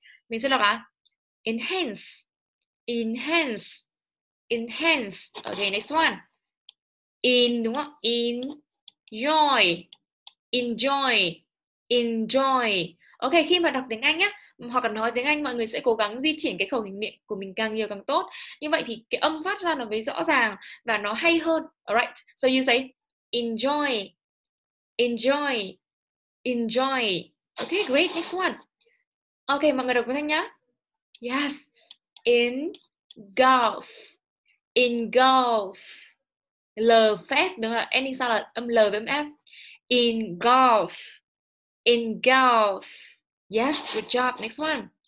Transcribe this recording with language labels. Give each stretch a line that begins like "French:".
Vietnamese: Mình sẽ đọc là enhance. Enhance. Enhance.
English: Ok, next one.
Vietnamese: In đúng không?
English: Enjoy. Enjoy, enjoy.
Vietnamese: Ok, khi mà đọc tiếng Anh nhá, hoặc là nói tiếng Anh, mọi người sẽ cố gắng di chuyển cái khẩu hình miệng của mình càng nhiều càng tốt. Như vậy thì cái âm phát ra nó mới rõ ràng và nó hay hơn.
English: Alright, so you say enjoy, enjoy, enjoy. Ok, great, next one.
Vietnamese: Ok, mọi người đọc với Thanh nhá.
English: Yes, engulf, engulf.
Vietnamese: L, phép, đúng không ạ?
English: Ending sound
Vietnamese: là âm L với âm F.
English: Engulf, engulf. Yes, good job. Next one.